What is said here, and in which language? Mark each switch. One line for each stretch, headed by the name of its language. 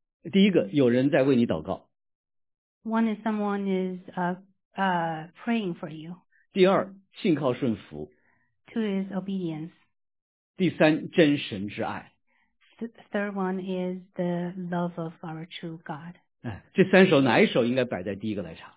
Chinese: 第一个，有人在为你祷告。
English: One is someone is praying for you.
Chinese: 第二，信靠顺服。
English: Two is obedience.
Chinese: 第三，真神之爱。
English: The third one is the love of our true God.
Chinese: 这三首哪一首应该摆在第一个来唱？